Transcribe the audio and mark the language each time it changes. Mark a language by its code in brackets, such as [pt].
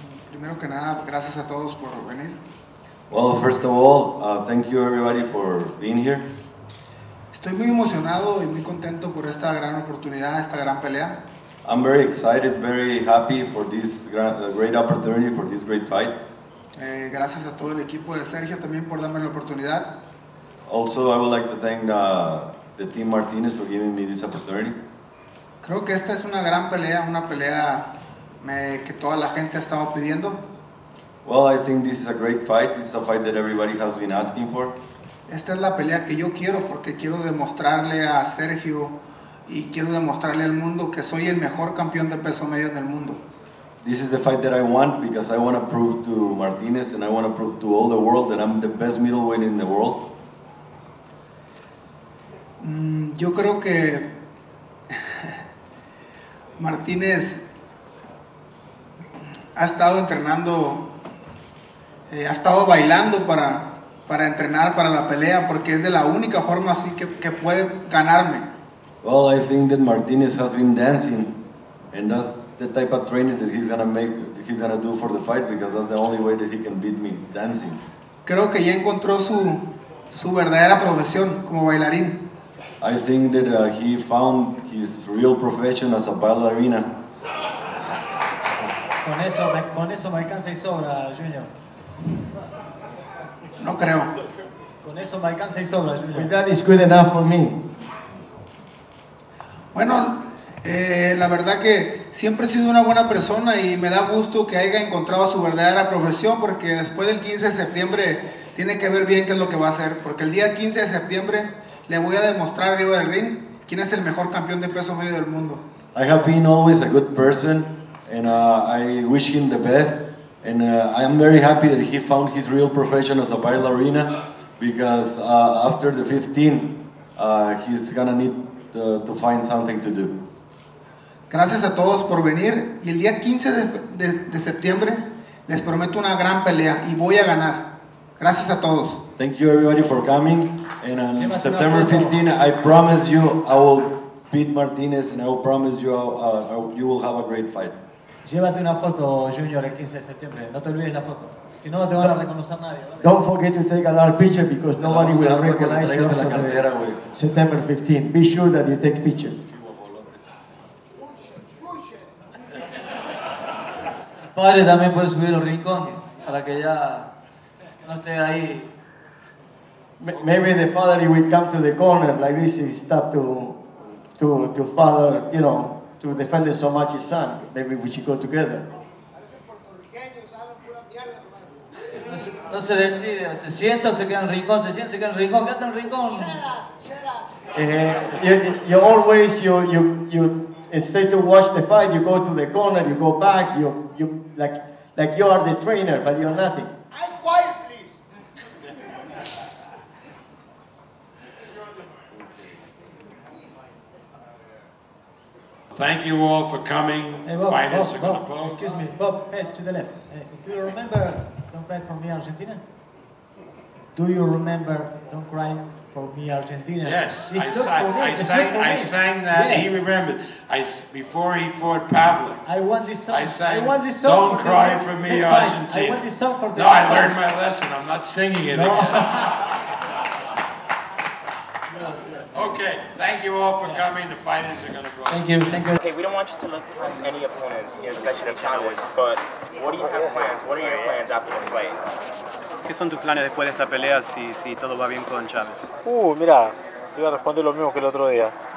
[es] Primero que nada, gracias a todos por venir. [en] Well, first of all, thank you everybody for being here. [es] Estoy muy emocionado y muy contento por esta gran oportunidad, esta gran pelea. [en] I'm very excited, very happy for this great opportunity, for this great fight. [es] Gracias a todo el equipo de Sergio también por darme la oportunidad. [en] Also, I would like to thank the team Martinez for giving me this opportunity. [es] Creo que esta es una gran pelea, una pelea que toda la gente ha estado pidiendo. [en] Well, I think this is a great fight. This is a fight that everybody has been asking for. [es] Esta es la pelea que yo quiero porque quiero demostrarle a Sergio y quiero demostrarle al mundo que soy el mejor campeón de peso medio en el mundo. [en] This is the fight that I want because I want to prove to Martinez and I want to prove to all the world that I'm the best middleweight in the world. [es] Yo creo que Martinez ha estado entrenando, ha estado bailando para entrenar para la pelea porque es de la única forma así que puede ganarme. [en] Well, I think that Martinez has been dancing, and that's the type of training that he's gonna do for the fight because that's the only way that he can beat me dancing. [es] Creo que ya encontró su verdadera profesión como bailarín. [en] I think that he found his real profession as a ballerina. [es] Con eso me alcanza y sobra, Junior. No creo. Con eso me alcanza y sobra, Junior. [en] With that is good enough for me. [es] Bueno, la verdad que siempre he sido una buena persona y me da gusto que haya encontrado su verdadera profesión porque después del 15 de septiembre tiene que ver bien qué es lo que va a hacer. Porque el día 15 de septiembre le voy a demostrar arriba del ring quién es el mejor campeón de peso medio del mundo. [en] I have been always a good person and I wish him the best. And I am very happy that he found his real profession as a bailarina because after the 15th he's gonna need to find something to do. [es] Gracias a todos por venir y el día 15 de septiembre les prometo una gran pelea y voy a ganar. Gracias a todos. [en] Thank you everybody for coming and on September 15 I promise you I will beat Martinez and I will promise you you will have a great fight. [es] Llévate una foto, Junior, el 15 de septiembre. No te olvides la foto. Si no, no te van a reconocer nadie. ¿Vale? [en] Don't forget to take a large picture because nobody will recognize you after cartera, September 15. Be sure that you take pictures. [es] Padre, también puede subir los rincones para que ya no esté ahí. [en] Maybe the father will come to the corner like this and start to father, you know, to defend so much his son. Maybe we should go together. [es] No se decide, se sienta o se queda en el rincón, quédate en el rincón. [en] You always, instead to watch the fight, you go to the corner, you go back, you like you are the trainer, but you're nothing. I'm quiet, please. Thank you all for coming. Hey, Bob, excuse me, Bob, to the left. Do you remember Don't Cry for Me, Argentina? Do you remember Don't Cry for me, Argentina. Yes, I sang that. Yeah. He remembered. Before he fought Pavlik. I want this song. I sang. Don't cry for me, Argentina. I want this song for the. No, Argentina. I learned my lesson. I'm not singing it. No. Okay, thank you all for coming. The fighters are going to go. Thank you. Hey, we don't want you to look past any opponents, especially the Chavez, but what do you have plans? What are your plans after this fight? [es] ¿Qué son tus planes después de esta pelea si todo va bien con Chávez? Mira, te voy a responder lo mismo que el otro día.